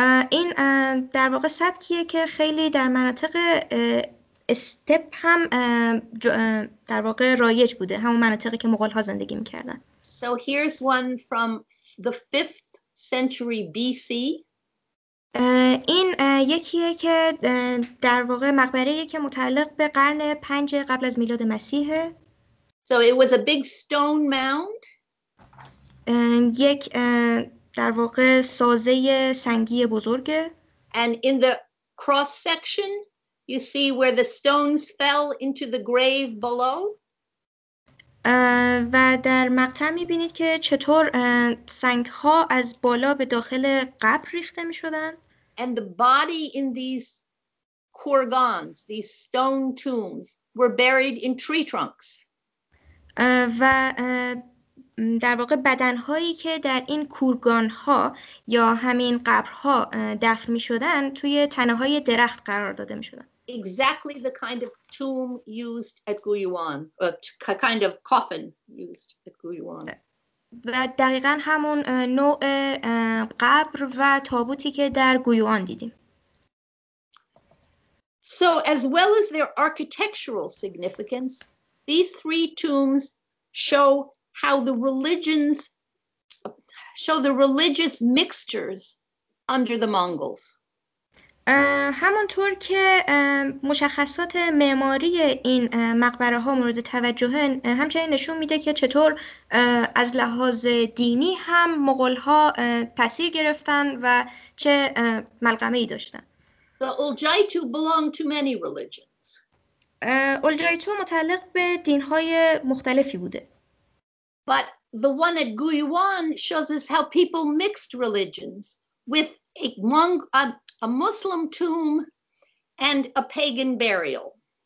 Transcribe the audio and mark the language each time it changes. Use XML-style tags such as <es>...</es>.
<fa>این در واقع سبکیه که خیلی در مناطق استپ هم در واقع رایج بوده، همون مناطقی که مغول‌ها زندگی می‌کردن.</fa> <en>So here's one from the 5th century BC.</en> <fa>این یکیه که در واقع مقبره‌ایه که متعلق به قرن 5 قبل از میلاد مسیحه.</fa> <en>So it was a big stone mound.</en> <fa>یک در واقع سازه سنگی بزرگه.</fa> <en>And in the cross section you see where the stones fell into the grave below.</en> <fa>و در مقطع می‌بینید که چطور سنگ‌ها از بالا به داخل قبر ریخته می‌شدند.</fa> <en>And the body in these kurgans, these stone tombs, were buried in tree trunks.</en> <fa>و در واقع بدن‌هایی که در این کورگان‌ها یا همین قبرها دفن می‌شدند توی تنه‌های درخت قرار داده می‌شدند.</fa> <en>Exactly the kind of tomb used at Guyuan, a kind of coffin used at Guyuan.</en> <fa>و دقیقاً همون نوع قبر و تابوتی که در گویوان دیدیم.</fa> <en>So as well as their architectural significance, these three tombs show how the religions show the religious mixtures under the Mongols.</en> <fa>همونطور که مشخصات معماری این مقبره ها مورد توجه همچنین نشون میده که چطور از لحاظ دینی هم مغول ها تأثیر گرفتن و چه ملغمه ای داشتن.</fa> <en>The Uljaitu belong to many religions.</en> <fa>Uljaitu متعلق به دین های مختلفی بوده.</fa> <en>But the one at Guyuan shows us how people mixed religions with a Muslim tomb and a pagan burial.</en>